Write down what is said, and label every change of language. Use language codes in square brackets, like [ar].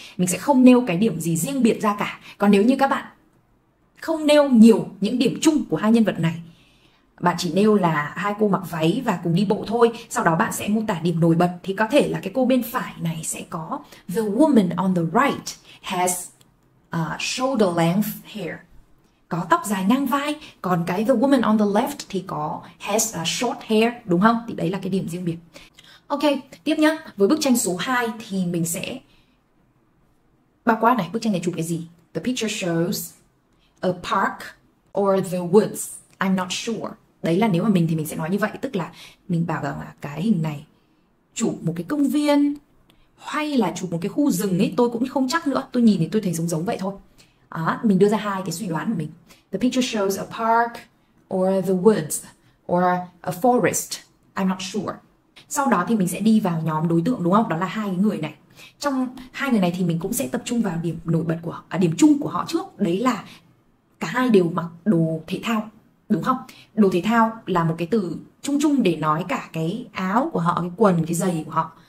[vi] Mình sẽ không nêu cái điểm gì riêng biệt ra cả. Còn nếu như các bạn không nêu nhiều những điểm chung của hai nhân vật này, bạn chỉ nêu là hai cô mặc váy và cùng đi bộ thôi, sau đó bạn sẽ mô tả điểm nổi bật, thì có thể là cái cô bên phải này sẽ có [en] the woman on the right has shoulder length hair, [vi] có tóc dài ngang vai, còn cái [en] the woman on the left [vi] thì có [en] has short hair, [vi] đúng không? Thì đấy là cái điểm riêng biệt. Ok, tiếp nhá. Với bức tranh số 2 thì mình sẽ bao quát này, bức tranh này chụp cái gì? [en] The picture shows a park or the woods. I'm not sure. [vi] Đấy là nếu mà mình thì mình sẽ nói như vậy, tức là mình bảo rằng là cái hình này chụp một cái công viên hay là chụp một cái khu rừng ấy, tôi cũng không chắc nữa. Tôi nhìn thì tôi thấy giống giống vậy thôi. À, mình đưa ra hai cái suy đoán của mình. [en] The picture shows a park or the woods or a forest. I'm not sure. [vi] Sau đó thì mình sẽ đi vào nhóm đối tượng, đúng không? Đó là hai người này. Trong hai người này thì mình cũng sẽ tập trung vào điểm nổi bật của điểm chung của họ trước, đấy là cả hai đều mặc đồ thể thao. Đúng không? Đồ thể thao là một cái từ chung chung để nói cả cái áo của họ, cái quần, cái giày của họ.